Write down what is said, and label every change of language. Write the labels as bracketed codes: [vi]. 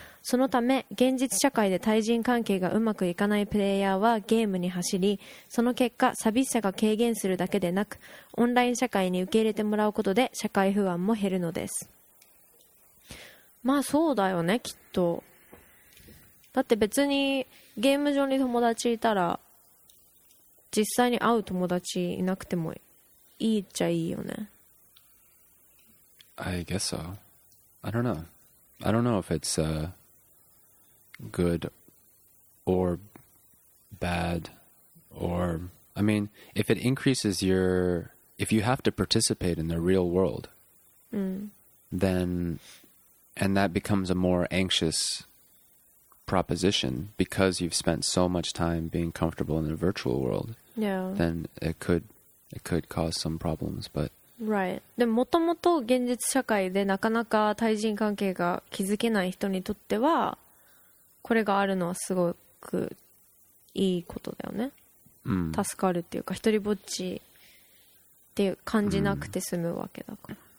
[ja] そのため現実社会で対人関係がうまくいかないプレイヤーはゲームに走り、その結果寂しさが軽減するだけでなく、オンライン社会に受け入れてもらうことで社会不安も減るのです。まあそうだよね、きっと。だって別にゲーム上に友達いたら実際に会う友達いなくてもいいっちゃいいよね。 [en] I guess so. I don't know. I don't know if it's good or bad or... I mean, if it increases your... If you have to participate in the real world, then... And that becomes a more anxious proposition because you've spent so much time being comfortable in the virtual world. Yeah. Then it could cause some problems, but... Right. [ja] でももともと現実社会でなかなか対人関係が築けない人にとっては、これがあるのはすごくいいことだよね。うん、助かるっていうか、一人ぼっちって感じなくて済むわけだから。